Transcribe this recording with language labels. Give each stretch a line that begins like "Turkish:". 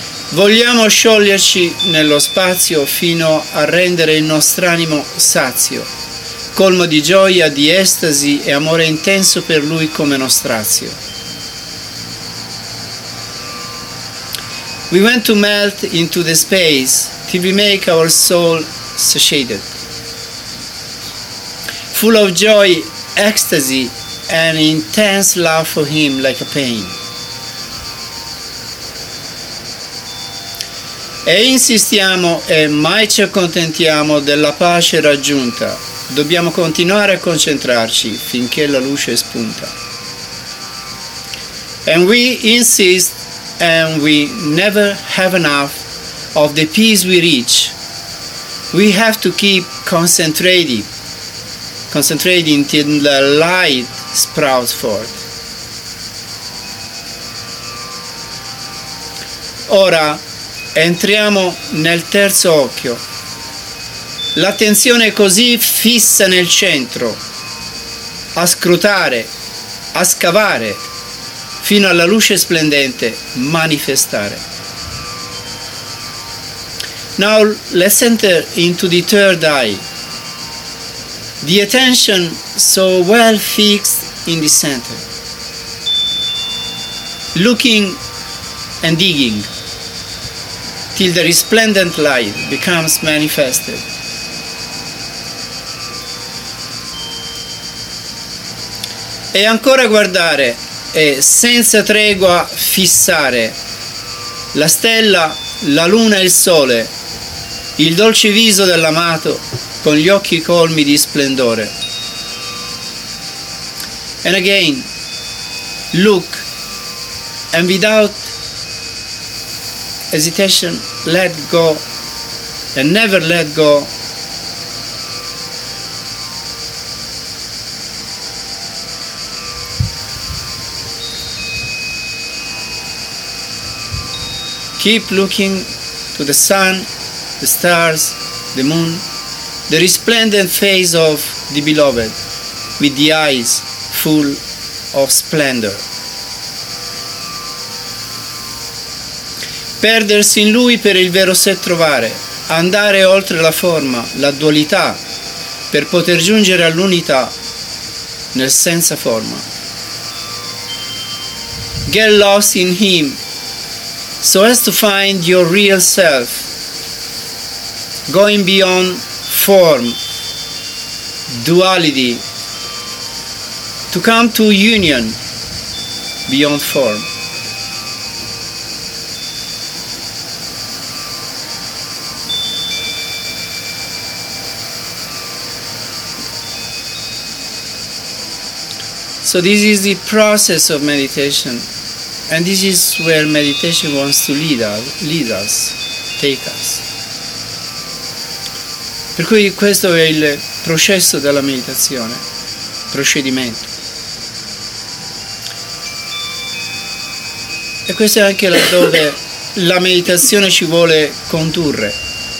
Italian: Vogliamo scioglierci nello spazio fino a rendere il nostro animo sazio, colmo di gioia, di estasi e amore intenso per lui come nostrazio.
English: We want to melt into the space till we make our soul satiated, full of joy, ecstasy and intense love for him like a pain.
Italian: E insistiamo e mai ci accontentiamo della pace raggiunta. Dobbiamo continuare a concentrarci finché la luce spunta.
English: And we insist and we never have enough of the peace we reach. We have to keep concentrating till the light sprouts forth.
Italian: Ora entriamo nel terzo occhio, l'attenzione così fissa nel centro, a scrutare, a scavare, fino alla luce splendente, manifestare.
English: Now let's enter into the third eye, the attention so well fixed in the center, looking and digging, till the resplendent light becomes manifested.
Italian: E ancora guardare e senza tregua fissare la stella, la luna e il sole, il dolce viso dell'amato con gli occhi colmi di splendore.
English: And again, look and without hesitation, let go and never let go. Keep looking to the sun, the stars, the moon, the resplendent face of the beloved with the eyes full of splendor.
Italian: Perdersi in lui per il vero sé trovare, andare oltre la forma, la dualità, per poter giungere all'unità nel senza forma.
English: Get lost in him, so as to find your real self, going beyond form, duality, to come to union beyond form. So this is the process of meditation, and this is where meditation wants to lead us, take us.
Italian: Per cui questo è il processo della meditazione, procedimento. E questo è anche laddove la meditazione ci vuole condurre.